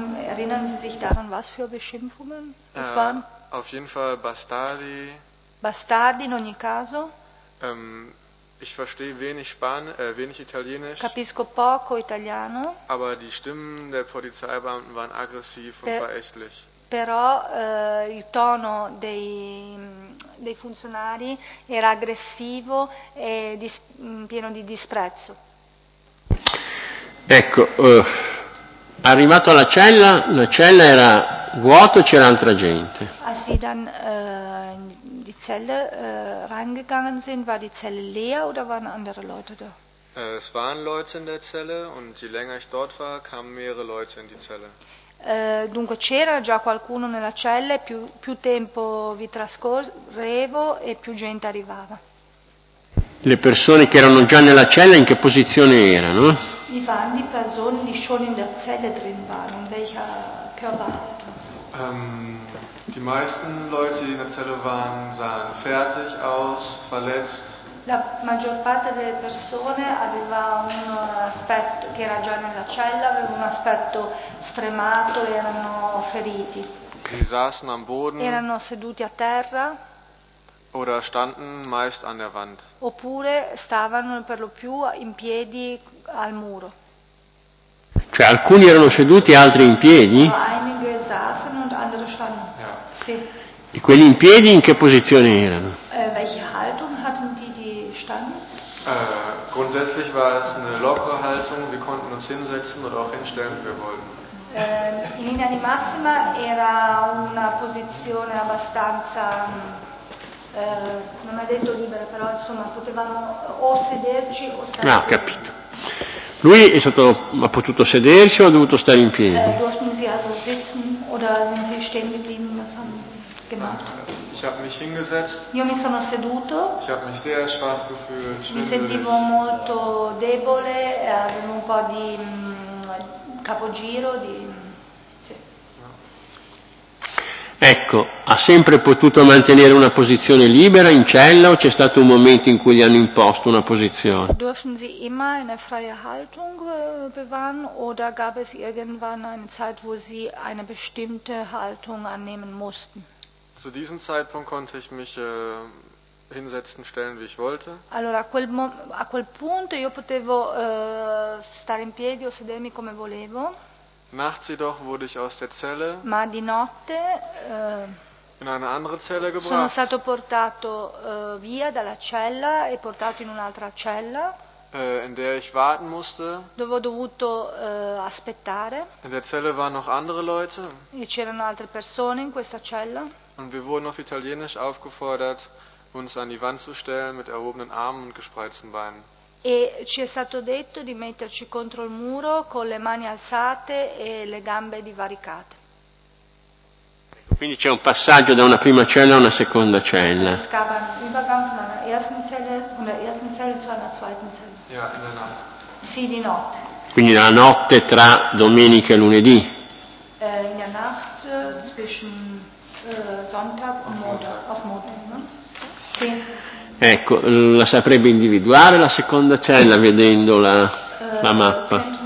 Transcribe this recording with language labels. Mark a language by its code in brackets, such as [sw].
[de] Erinnern Sie sich daran, was für Beschimpfungen es waren? Auf jeden Fall Bastardi. [it] Bastardi in ogni caso. [de] Ich verstehe wenig wenig Italienisch. [it] Capisco poco italiano. [de] Aber die Stimmen der Polizeibeamten waren aggressiv und verächtlich. [it] Però il tono dei funzionari era aggressivo e pieno di disprezzo. Ecco. Arrivato alla cella, la cella era vuota, c'era altra gente. [de] Als sie dann in die Zelle reingegangen sind, war die Zelle leer oder waren andere Leute da? Es waren Leute in der Zelle und je länger ich dort war, kamen mehrere Leute in die Zelle. [it] Dunque c'era già qualcuno nella cella, più tempo vi trascorrevo e più gente arrivava. Le persone che erano già nella cella in che posizione erano? [de] Wie waren die Personen, die schon in der Zelle drin waren? In welcher Körperhaltung? Die meisten Leute, die in der Zelle waren, sahen fertig aus, verletzt. [it] La maggior parte delle persone aveva un aspetto che era già nella cella, aveva un aspetto stremato, erano feriti. [de] Sie saßen am Boden. [it] Erano seduti a terra. [de] Oder standen meist an der Wand. [it] Oppure stavano per lo più in piedi al muro. Cioè alcuni erano seduti, altri in piedi? [de] Einige saßen und andere standen. Ja. [it] Sì. E quelli in piedi in che posizione erano? [de] Welche Haltung hatten die standen? Grundsätzlich war es eine lockere Haltung. Wir konnten uns hinsetzen oder auch hinstellen, wie wir wollten. [it] In linea di massima era una posizione abbastanza... non è detto libero, però insomma potevamo o sederci o stare in piedi. Capito. Lui è stato, ha potuto sedersi o ha dovuto stare in piedi? [de] Durften Sie also sitzen oder sind Sie stehen geblieben? Was haben Sie gemacht? Ich habe mich hingesetzt. [it] Io mi sono seduto. [de] Ich habe mich sehr schwach gefühlt. [it] Mi sentivo molto debole, avevo un po' di capogiro, di... Ecco, ha sempre potuto mantenere una posizione libera in cella o c'è stato un momento in cui gli hanno imposto una posizione? [de] Durften Sie immer eine freie Haltung bewahren oder gab es irgendwann eine Zeit, wo Sie eine bestimmte Haltung annehmen mussten? Zu diesem Zeitpunkt konnte ich mich hinsetzen, stellen, wie ich wollte. [it] Allora, a quel punto io potevo stare in piedi o sedermi come volevo. [de] Nachts jedoch wurde ich aus der Zelle [it] ma di notte, [de] in eine andere Zelle gebracht. [it] Sono stato portato via dalla cella e portato in un'altra cella [de] in der ich warten musste. [it] Dove ho dovuto aspettare. [de] In der Zelle waren noch andere Leute. [it] E c'erano altre persone in questa cella. [de] Und wir wurden auf Italienisch aufgefordert, uns an die Wand zu stellen mit erhobenen Armen und gespreizten Beinen. [it] E ci è stato detto di metterci contro il muro con le mani alzate e le gambe divaricate. Quindi c'è un passaggio da una prima cella a una seconda cella. [de] Es gab einen Übergang von einer ersten Zelle, von der ersten Zelle zu einer zweiten Zelle. Ja, in der Nacht. [it] Sì, di notte. Quindi la notte tra domenica e lunedì. [de] In der Nacht zwischen Sonntag und Montag, auf Montag, no? [it] Sì. Ecco, la saprebbe individuare la seconda cella vedendo la, la mappa.